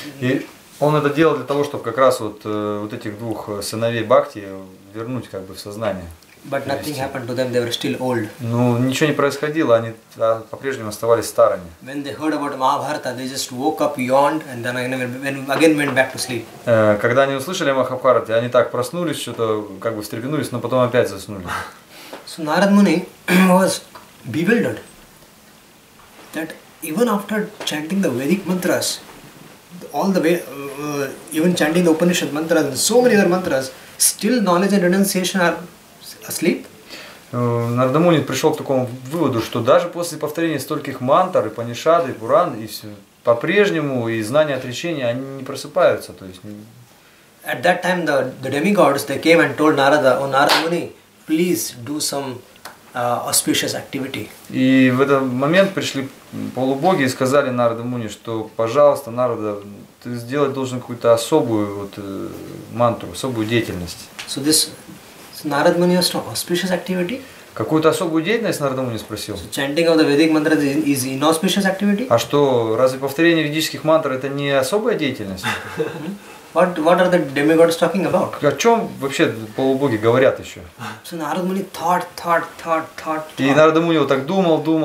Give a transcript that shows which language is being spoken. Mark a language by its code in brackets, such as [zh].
[ru] И он это делал для того, чтобы как раз вот вот этих двух сыновей Бхакти вернуть как бы в сознание. [en] But nothing happened to them, they were still old. [ru] Ну, ничего не происходило, они по-прежнему оставались старыми. [en] When they heard about Mahabharata, they just woke up, yawned, and then again went back to sleep. [ru] Когда они услышали о Махабхарате, они так проснулись, что-то как бы встрепенулись, но потом опять заснули. [en] So Narad Muni was bewildered that even after chanting the Vedic mantras, all the way, even chanting the Upanishad mantras and so many other mantras, still knowledge and renunciation are asleep. [ru] Narad Muni пришел к такому выводу, что даже после повторения стольких мантр, и Панишад, и Пуран, и все, по-прежнему и знания отречения, они не просыпаются. То есть... [en] At that time the demigods, they came and told Narada, "Oh, Narad Muni, please do some auspicious activity." [ru] И в этот момент пришли полубоги и сказали Нараду Муни, что, пожалуйста, Нарада, ты сделать должен какую-то особую вот, мантру, особую деятельность. [en] So this... So Narad Muni asked for auspicious activity. [ru] Какую-то особую деятельность Narad Muni спросил. [en] So chanting of the Vedic mantras is inauspicious activity. [ru] А что, разве повторение ведических мантр это не особая деятельность? [en] What are the demigods talking about? [ru] О чем вообще полубоги говорят еще? [en] So Narad Muni thought. [ru] И Narad Muni вот так думал.